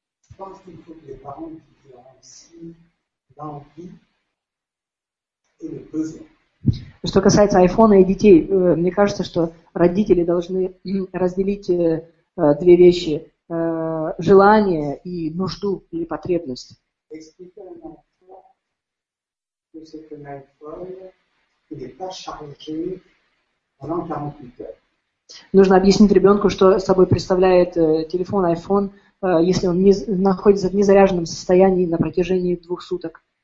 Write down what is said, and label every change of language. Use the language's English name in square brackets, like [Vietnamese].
[French] Je pense qu'il faut que les parents différencient l'envie et le besoin. [Russian] Что касается iPhone и детей, мне кажется, что родители должны разделить две вещи: желание и нужду или потребность. [French] Expliquer à un enfant que c'est un iPhone qui n'est pas chargé pendant 48 heures. [Russian] Нужно объяснить ребенку, что собой представляет телефон, iPhone, если он не, находится в незаряженном состоянии на протяжении двух суток.